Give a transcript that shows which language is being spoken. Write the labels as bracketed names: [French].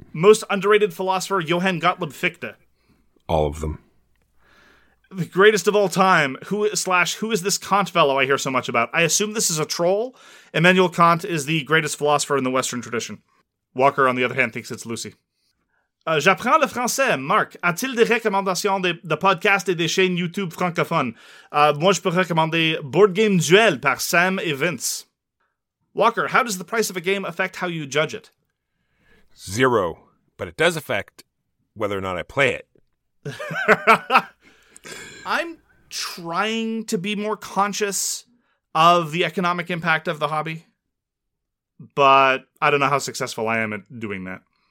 [English] Most underrated philosopher, Johann Gottlob Fichte. All of them. The greatest of all time. Who is this Kant fellow I hear so much about? I assume this is a troll. Immanuel Kant is the greatest philosopher in the Western tradition. Walker, on the other hand, thinks it's Lucy. [French] J'apprends le français, Marc. A-t-il des recommandations de podcasts et des chaînes YouTube francophones? Moi, je peux recommander Board Game Duel par Sam et Vince. [English] Walker, how does the price of a game affect how you judge it? Zero. But it does affect whether or not I play it. I'm trying to be more conscious of the economic impact of the hobby, but I don't know how successful I am at doing that.